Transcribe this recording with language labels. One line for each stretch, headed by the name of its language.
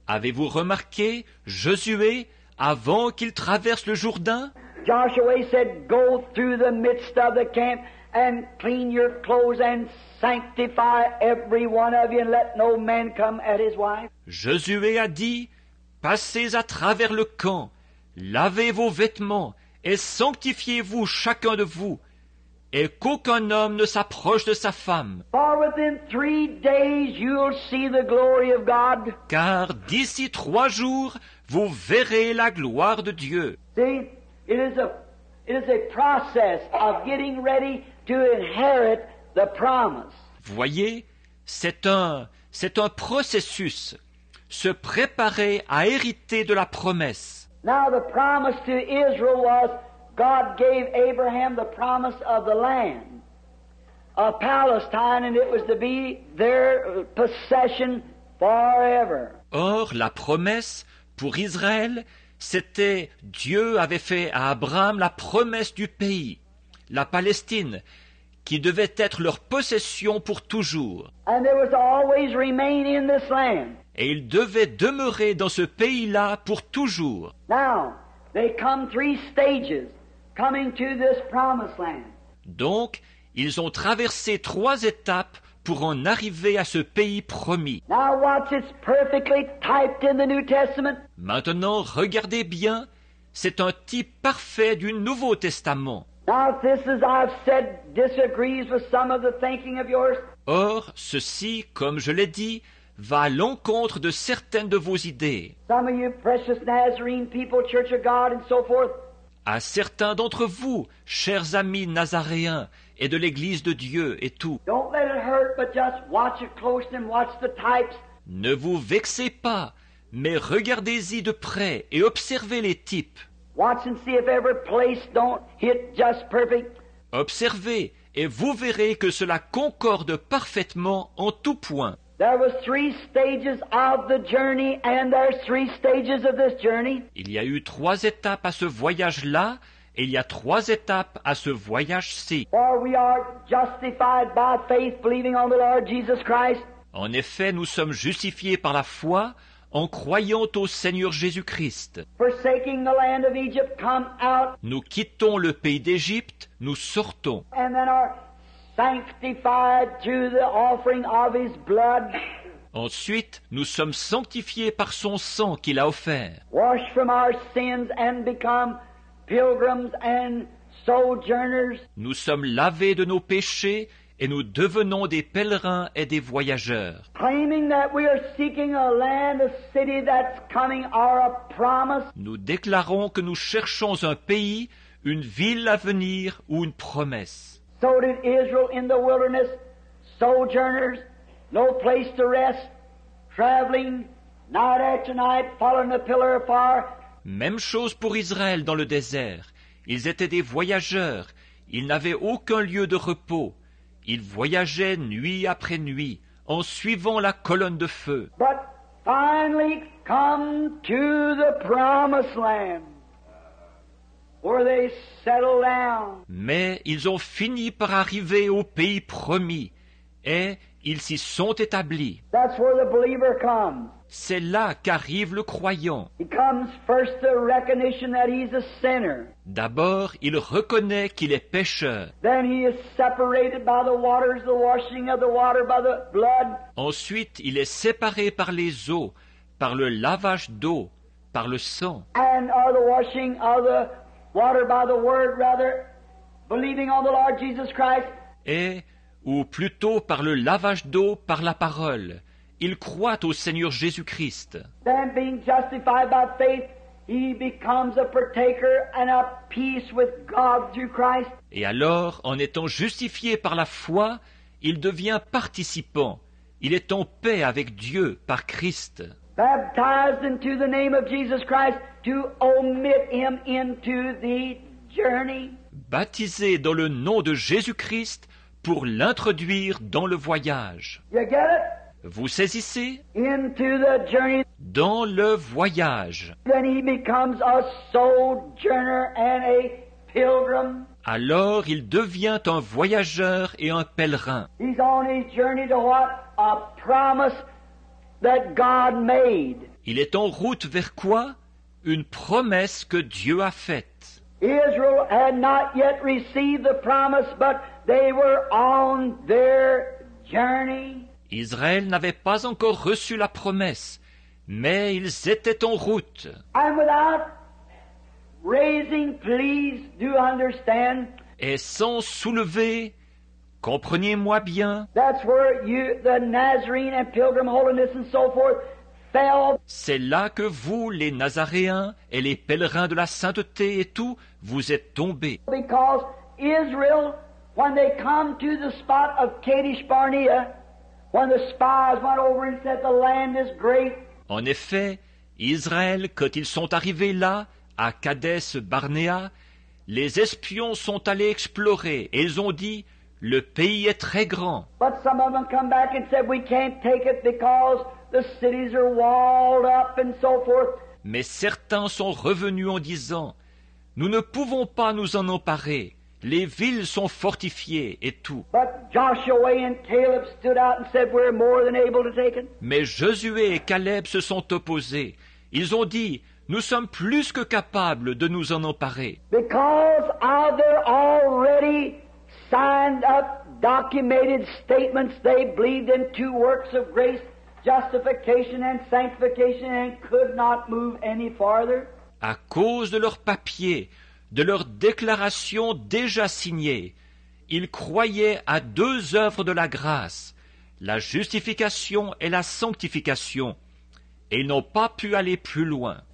French: Avez-vous remarqué Josué avant qu'il traverse le Jourdain?
English: Joshua said, go through the midst of the camp and clean your clothes and sanctify every one of you and let no man come at his wife.
French: Josué a dit, passez à travers le camp, lavez vos vêtements et sanctifiez-vous chacun de vous, et qu'aucun homme ne s'approche de sa femme.
English: For within 3 days you'll see the glory of God.
French: Car d'ici 3 jours, vous verrez la gloire de Dieu.
English: See, it is a process of getting ready to inherit the promise.
French: Voyez, c'est un processus, se préparer à hériter de la promesse.
English: Now the promise to Israel was God gave Abraham the promise of the land of Palestine, and it was to be their possession forever.
French: Or la promesse pour Israël, c'était Dieu avait fait à Abraham la promesse du pays, la Palestine, qui devait être leur possession pour toujours.
English: And they was always remain in this land.
French: Et ils devaient demeurer dans ce pays-là pour toujours.
English: Now, they come 3 stages coming to this promised land.
French: Donc, ils ont traversé 3 étapes pour en arriver à ce pays promis.
English: Now watch, it's perfectly typed in the New Testament.
French: Maintenant, regardez bien, c'est un type parfait du Nouveau Testament.
English: Now, this, as I've said, disagrees with some of the thinking of yours.
French: Or, ceci, comme je l'ai dit, va à l'encontre de certaines de vos idées.
English: Some of you precious Nazarene people, Church of God, and so forth.
French: À certains d'entre vous, chers amis nazaréens et de l'Église de Dieu et tout.
English: Don't let it hurt, but just watch it close and watch the types.
French: Ne vous vexez pas, mais regardez-y de près et observez les types.
English: Watch and see if every place don't hit just perfect.
French: Observez et vous verrez que cela concorde parfaitement en tout point.
English: There were three stages of the journey, and there are three stages of this journey.
French: Il y a eu trois étapes à ce voyage-là, et il y a trois étapes à ce voyage-ci.
English: For we are justified by faith, believing on the Lord Jesus Christ.
French: En effet, nous sommes justifiés par la foi en croyant au Seigneur Jésus-Christ.
English: Forsaking the land of Egypt, come out.
French: Nous quittons le pays d'Égypte, nous sortons.
English: And then are sanctified through the offering of his blood.
French: Ensuite, nous sommes sanctifiés par son sang qu'il a offert.
English: Washed from our sins and become pilgrims and sojourners.
French: Nous sommes lavés de nos péchés et nous devenons des pèlerins et des voyageurs.
English: Claiming that we are seeking a land, a city that's coming, or a promise.
French: Nous déclarons que nous cherchons un pays, une ville à venir ou une promesse.
English: So did Israel in the wilderness, sojourners, no place to rest, traveling night after night, following the pillar of fire.
French: Même chose pour Israël dans le désert. Ils étaient des voyageurs. Ils n'avaient aucun lieu de repos. Ils voyageaient nuit après nuit en suivant la colonne de feu.
English: But finally come to the promised land where they settle down.
French: Mais ils ont fini par arriver au pays promis et ils s'y sont établis.
English: That's where the believer comes.
French: C'est là qu'arrive le croyant.
English: He comes first to recognition that he's a sinner.
French: D'abord, il reconnaît qu'il est pécheur.
English: Then he is separated by the waters, the washing of the water by the blood.
French: Ensuite, il est séparé par les eaux, par le lavage d'eau, par le sang.
English: And are the washing of the water by the word, rather, believing on the Lord Jesus Christ.
French: Et, ou plutôt par le lavage d'eau, par la parole. Il croit au Seigneur Jésus-Christ.
English: Then being justified by faith, he becomes a partaker and at peace with God through Christ.
French: Et alors, en étant justifié par la foi, il devient participant. Il est en paix avec Dieu par Christ.
English: Baptized into the name of Jesus Christ to omit him into the journey.
French: Baptisé dans le nom de Jésus-Christ pour l'introduire dans le voyage.
English: You get it?
French: Vous saisissez?
English: Into the journey.
French: Dans le voyage.
English: Then he becomes a sojourner and a pilgrim.
French: Alors il devient un voyageur et un pèlerin.
English: He's on his journey to what? A promise that God made.
French: Il est en route vers quoi? Une promesse que Dieu a faite.
English: Israel had not yet received the promise, but they were on their journey.
French: Israël n'avait pas encore reçu la promesse, mais ils étaient en route.
English: And without raising, please do understand.
French: Et sans soulever, comprenez-moi bien.
English: That's where you, the Nazarene and pilgrim holiness and so forth, fell.
French: C'est là que vous, les Nazaréens et les pèlerins de la sainteté et tout, vous êtes tombés.
English: Because Israel, when they come to the spot of Kadesh Barnea, when the spies went over and said the land is great.
French: En effet, Israël, quand ils sont arrivés là, à Kadesh Barnea, les espions sont allés explorer et ils ont dit, le pays est très grand.
English: But some of them come back and said we can't take it because the cities are walled up and so forth.
French: Mais certains sont revenus en disant, nous ne pouvons pas nous en emparer. Les villes sont fortifiées et tout.
English: But Joshua and Caleb stood out and said, we're more than able to take it.
French: Mais Josué et Caleb se sont opposés. Ils ont dit, nous sommes plus que capables de nous en emparer.
English: Because of their already signed up documented statements, they believed in two works of grace, justification and sanctification, and could not move any farther.
French: À cause de leurs papiers, de leur déclaration déjà signée. Ils croyaient à deux œuvres de la grâce, la justification et la sanctification, et ils n'ont pas pu aller plus loin.